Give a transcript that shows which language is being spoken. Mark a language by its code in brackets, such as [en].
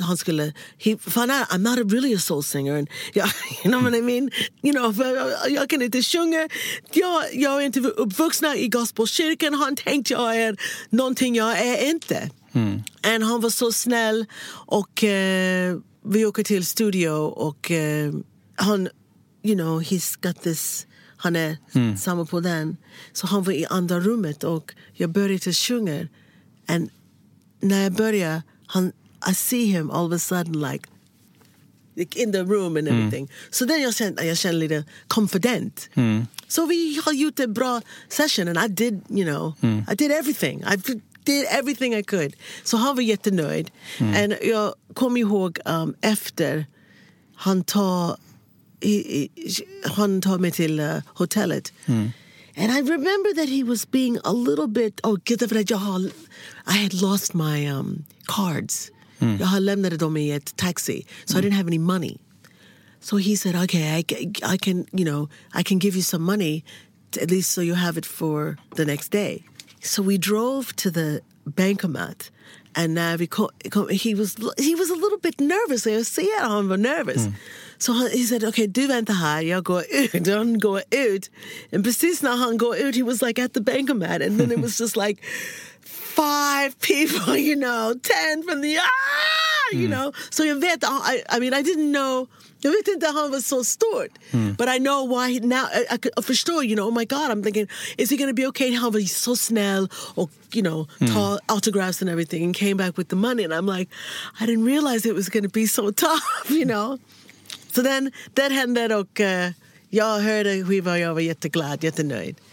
[sv] Han skulle, [en] he found out I'm not really a soul singer. And you know what I mean? You know, [sv] jag kan inte sjunga. Jag är inte uppvuxen i gospelkyrkan. Han tänkte jag är någonting jag är inte. Mm. And han var så snäll och vi åker till studio och han, [en] you know, he's got this, [sv] han är samma på den. Så han var i andra rummet och jag började sjunga. And när jag börjar, [en] I see him all of a sudden like in the room and everything. [sv] Mm. Så then jag kände lite confident. Mm. Så vi har gjort en bra session [en] and I did, you know, I did everything. I did everything I could. [sv] Så han var jättenöjd. [en] Mm. [sv] And jag kom ihåg efter han tar mig till hotellet. Mm. [en] And I remember that he was being a little bit, I had lost my cards. Mm. [sv] Jag har lämnat dem i ett taxi. [en] So I didn't have any money. So he said, okay, I can give you some money at least so you have it for the next day. So we drove to the bankomat, and now he was a little bit nervous. I see it, I'm nervous. Mm. So he said, okay, [sv] du vänta här, jag går ut. [en] Don't go out. And [sv] precis när han går ut, [en] he was like at the bankomat, and then it was just like five people, you know, 10 from the, you know. [sv] So jag vet, [en] I mean, I didn't know, [sv] jag vet inte, han var så stort. Mm. [en] But I know why now, I for sure, you know, oh my God, I'm thinking, is he going to be okay? [sv] Han var så snäll, och, [en] you know, tall autographs and everything, and came back with the money. And I'm like, I didn't realize it was going to be so tough, you know. [sv] So then, that händer, och jag hörde skiva, jag var jätteglad, jättenöjd.